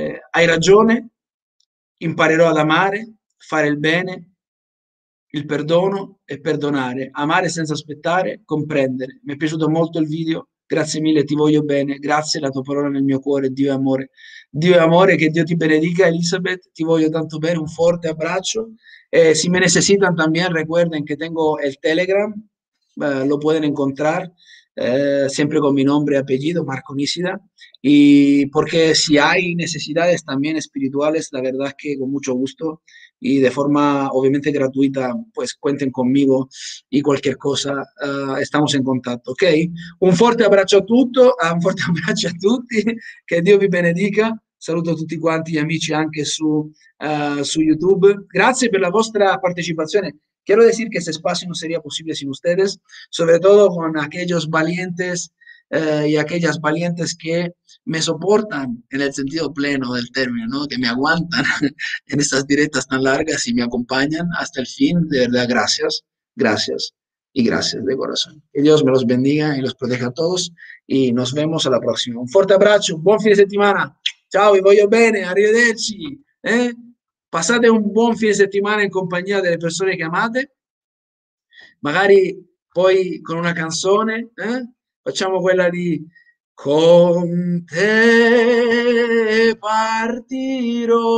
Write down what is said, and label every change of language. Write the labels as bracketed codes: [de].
[it] Hay ragione, imparerò ad amare, fare il bene, il perdono e perdonare, amare senza aspettare, comprendere. Mi è piaciuto molto il video, grazie mille, ti voglio bene, grazie, la tua parola nel mio cuore, Dio è amore. Dio è amore, che Dio ti benedica, Elizabeth, ti voglio tanto bene, un forte abbraccio. [es] Si me necesitan también, recuerden que tengo el Telegram, lo pueden encontrar, siempre con mi nombre y apellido, Marco Nisida, y porque si hay necesidades también espirituales, la verdad es que con mucho gusto y de forma obviamente gratuita, pues cuenten conmigo, y cualquier cosa, estamos en contacto, ¿ok? [it] Un forte abbraccio a tutti, que Dio vi benedica, saluto a tutti quanti gli amici anche su YouTube, grazie per la vostra partecipazione. [es] Quiero decir que este espacio no sería posible sin ustedes, sobre todo con aquellos valientes y aquellas valientes que me soportan en el sentido pleno del término, ¿no? Que me aguantan en estas directas tan largas y me acompañan hasta el fin. De verdad, gracias, gracias y gracias de corazón. Que Dios me los bendiga y los proteja a todos, y nos vemos a la próxima. Un fuerte abrazo, buen fin de semana. [it] Chao, y voglio bene, arrivederci. Passate un buon fine settimana in compagnia delle persone che amate, magari poi con una canzone, facciamo quella di Con te partirò.